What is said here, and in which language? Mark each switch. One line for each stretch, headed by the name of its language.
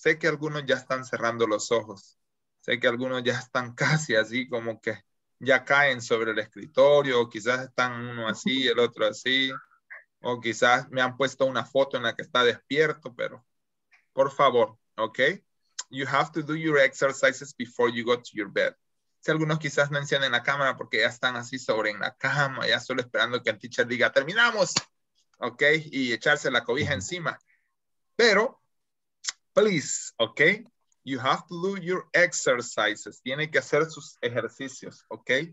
Spanish: Sé que algunos ya están cerrando los ojos. Sé que algunos ya están casi así como que ya caen sobre el escritorio. O quizás están uno así y el otro así. O quizás me han puesto una foto en la que está despierto, pero por favor, ¿ok?
English: You have to do your exercises before you go to your bed.
Spanish: Si algunos quizás no encienden la cámara porque ya están así sobre en la cama, ya solo esperando que el teacher diga, terminamos, ¿ok? Y echarse la cobija encima. Pero, please, ¿ok?
English: You have to do your exercises.
Spanish: Tiene que hacer sus ejercicios,
English: ¿ok?